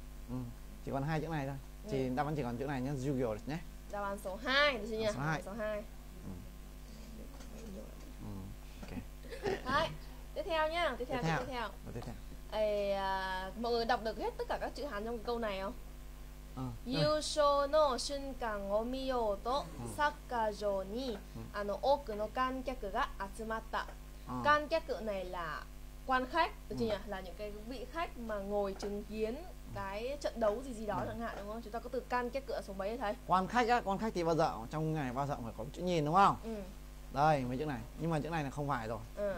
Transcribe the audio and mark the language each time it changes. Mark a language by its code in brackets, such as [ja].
[vi] Ừ. Chỉ còn hai chữ này thôi, Ừ. thì đáp án chỉ còn chữ này nhé, Google nhé. Đáp án số 2 được chưa nhỉ? Số Đáp án 2. số 2. Đấy, tiếp theo nhá, tiếp Tiếp theo câu theo. tiếp theo. Tiếp theo. Mọi người đọc được hết tất cả các chữ Hán trong câu này không? Rồi. [ja] 優勝の瞬間を見ようとサッカー場に多くの観客が集まった。 [vi] 観客 này là quan khách được chưa nhỉ, là những cái vị khách mà ngồi chứng kiến cái trận đấu gì gì đó chẳng hạn, đúng không? Chúng ta có từ can kết cửa số mấy thấy? Quan khách á, quan khách thì bao giờ trong ngày bao giờ phải có chữ nhìn đúng không? Ừ. Đây mấy chữ này, nhưng mà chữ này là không phải rồi ừ.